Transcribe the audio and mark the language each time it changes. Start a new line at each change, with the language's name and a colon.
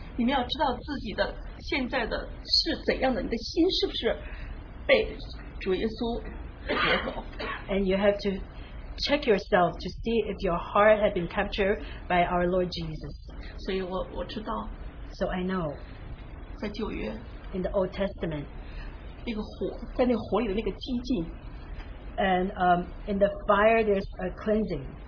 Chinese: 你们要知道自己的现在的是怎样的，你的心是不是被主耶稣夺走。
English: And you have to check yourself to see if your heart had been captured by our Lord Jesus.
Chinese: 所以我知道,
English: so I know,
Chinese: 在旧约,
English: in the Old Testament,
Chinese: 那个火在那火里的那个激进,
English: and in the fire there's a cleansing.